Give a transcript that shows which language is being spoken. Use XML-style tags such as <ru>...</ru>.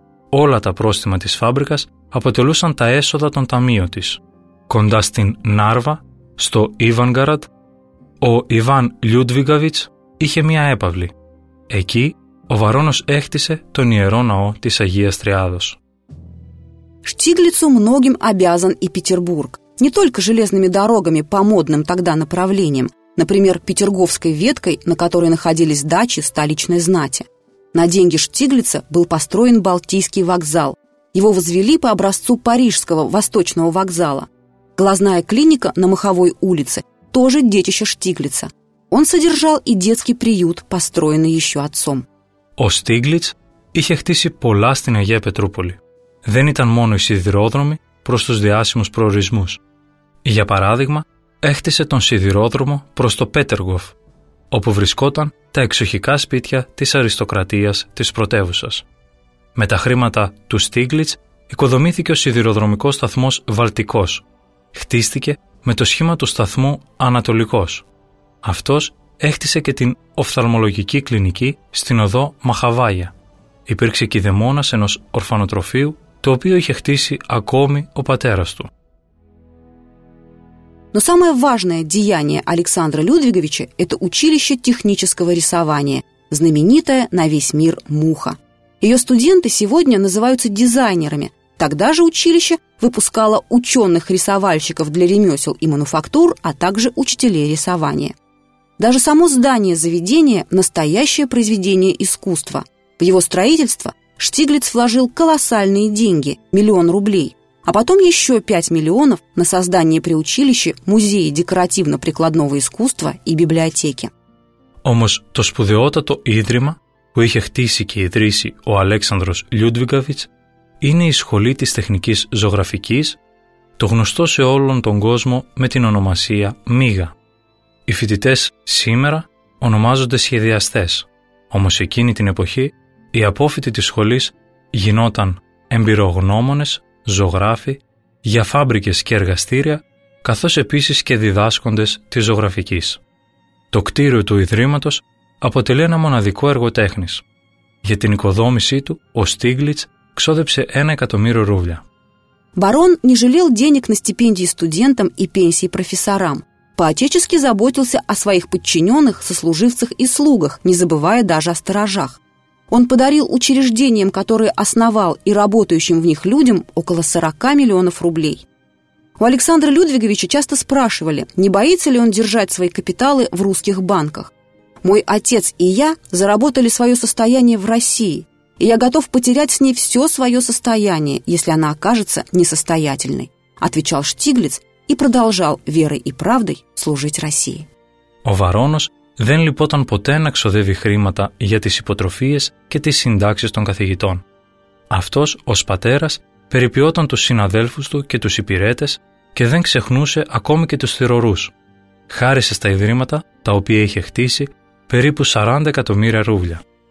<el>Όλα τα πρόστιμα της φάμπρικας αποτελούσαν τα έσοδα των ταμείων της. Κοντά στην Νάρβα, στο Ιβανγκαραντ, ο Ιβάν Λιούντβιγκαβιτς είχε μία έπαυλη. Εκεί ο Βαρόνος έκτισε τον Ιερό Ναό της Αγίας Τριάδος.</el> <ru>Штиглицу многим обязан и Петербург. Не только железными дорогами по модным тогда направлениям, например, Петерговской веткой, на которой находились дачи столичной знати. На деньги Штиглица был построен Балтийский вокзал. Его возвели по образцу Парижского восточного вокзала. Глазная клиника на Маховой улице – тоже детище Штиглица. Он содержал и детский приют, построенный еще отцом.</ru> <el>О Штиглиц είχε χτίσει πολλά στην Αγία Πετρούπολη. Δεν ήταν μόνο οι σιδηρόδρομοι προς τους διάσημους προορισμούς. Για παράδειγμα, έκτισε τον σιδηρόδρομο προς το Πέτεργοφ, όπου βρισκόταν τα εξοχικά σπίτια της αριστοκρατίας της πρωτεύουσας. Με τα χρήματα του Στίγκλιτς οικοδομήθηκε ο σιδηροδρομικός σταθμός Βαλτικός. Χτίστηκε με το σχήμα του σταθμού Ανατολικός. Αυτός έκτισε και την οφθαλμολογική κλινική στην οδό Μαχαβάγια. Υπήρξε και η δαιμόνας ενός ορφανοτροφείου, το οποίο είχε χτίσει ακόμη ο πατέρας του.</el> <ru>Но самое важное деяние Александра Людвиговича – это училище технического рисования, знаменитое на весь мир Муха. Ее студенты сегодня называются дизайнерами. Тогда же училище выпускало ученых-рисовальщиков для ремесел и мануфактур, а также учителей рисования. Даже само здание заведения – настоящее произведение искусства. В его строительство Штиглиц вложил колоссальные деньги – 1 000 000 рублей. – а потом еще 5 миллионов на создание при училище музея декоративно-прикладного искусства и библиотеки.</ru> <el>Όμως το σπουδαιότατο ίδρυμα που είχε χτίσει και ιδρύσει ο Αλέξανδρος Λιούντβιγκαβιτς είναι η Σχολή της Τεχνικής Ζωγραφικής, το γνωστό σε όλον τον κόσμο με την ονομασία MIGA. Οι φοιτητές σήμερα ονομάζονται σχεδιαστές, όμως εκείνη την εποχή οι απόφοιτοι της σχολής γινόταν εμπειρογνώμονες, ζωγράφοι, για φάμπρικες και εργαστήρια, καθώς επίσης και διδάσκοντες της ζωγραφικής. Το κτίριο του Ιδρύματος αποτελεί ένα μοναδικό έργο τέχνης. Για την οικοδόμησή του, ο Στίγλιτς ξόδεψε 1 εκατομμύριο ρούβλια.</el> <ru>Барон не жалел денег на стипендии студентам и пенсии профессорам. По-отечески заботился о своих подчиненных, сослуживцах и слугах, не забывая даже о сторожах. Он подарил учреждениям, которые основал, и работающим в них людям около 40 миллионов рублей. У Александра Людвиговича часто спрашивали, не боится ли он держать свои капиталы в русских банках. «Мой отец и я заработали свое состояние в России, и я готов потерять с ней все свое состояние, если она окажется несостоятельной», отвечал Штиглиц и продолжал верой и правдой служить России.</ru> <el>Ο Βαρόνος δεν λυπόταν ποτέ να ξοδεύει χρήματα για τις υποτροφίες και τις συντάξεις των καθηγητών. Αυτός, ως πατέρας, περιποιόταν τους συναδέλφους του και τους υπηρέτες και δεν ξεχνούσε ακόμη και τους θυρωρούς. Χάρισε στα ιδρύματα, τα οποία είχε χτίσει, περίπου 40 εκατομμύρια ρούβλια.</el>